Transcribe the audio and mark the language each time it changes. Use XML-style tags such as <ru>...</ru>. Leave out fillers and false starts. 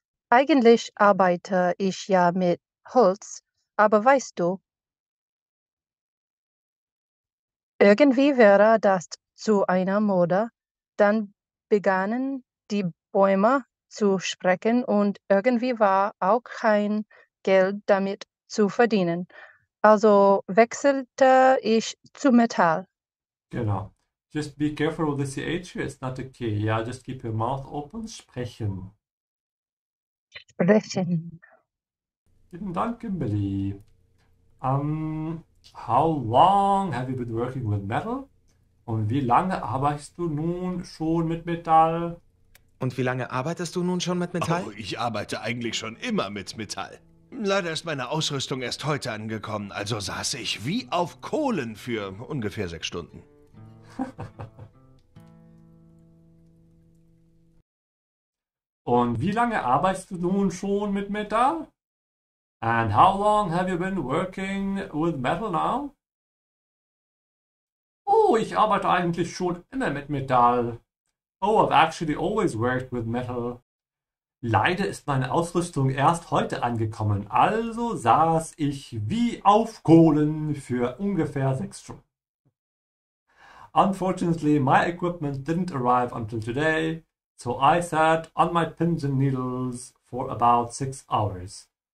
<de>Eigentlich arbeite ich ja mit Holz, aber weißt du, irgendwie wäre das zu einer Mode, dann begannen die Bäume zu sprechen und irgendwie war auch kein Geld damit zu verdienen. Also wechselte ich zu Metall. Genau.</de> <en>Just be careful with the CH, it's not okay. Yeah, just keep your mouth open, sprechen.</en> <de>Sprechen. Vielen Dank, Kimberly.</de> <en>How long have you been working with metal?</en> <de>Und wie lange arbeitest du nun schon mit Metall? Und wie lange arbeitest du nun schon mit Metall? Oh, ich arbeite eigentlich schon immer mit Metall. Leider ist meine Ausrüstung erst heute angekommen, also saß ich wie auf Kohlen für ungefähr 6 Stunden. Und wie lange arbeitest du nun schon mit Metall?</de> <en>And how long have you been working with metal now?</en> <de>Oh, ich arbeite eigentlich schon immer mit Metall.</de> <en>Oh, I've actually always worked with metal.</en> <de>Leider ist meine Ausrüstung erst heute angekommen, also saß ich wie auf Kohlen für ungefähr 6 Stunden.</de> <en>Unfortunately, my equipment didn't arrive until today, so I sat on my pins and needles for about 6 hours.</en>